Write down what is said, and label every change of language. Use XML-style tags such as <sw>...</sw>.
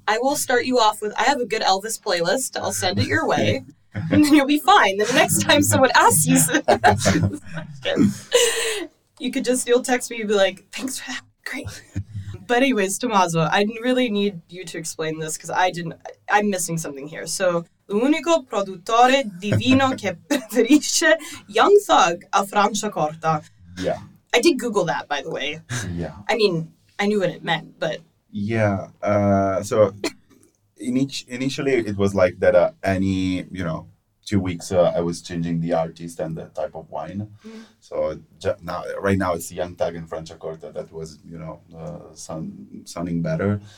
<en>I will start you off with, I have a good Elvis playlist. I'll send it your way. And then you'll be fine. Then the next time someone asks you some questions, you could just, you'll text me and be like, thanks for that. Great. But anyways, Tommaso, I really need you to explain this because I'm missing something here.</en> <it>So, l'unico produttore di vino che preferisce Young Thug a Franciacorta.</it> <en>Yeah. I did Google that, by the way. Yeah. I mean, I knew what it meant, but. Yeah. So, initially it was like that any, you know, 2 weeks I was changing the artist and the type of wine. So right now it's Young Thug and Franciacorta that was, you know, sounding better.</en>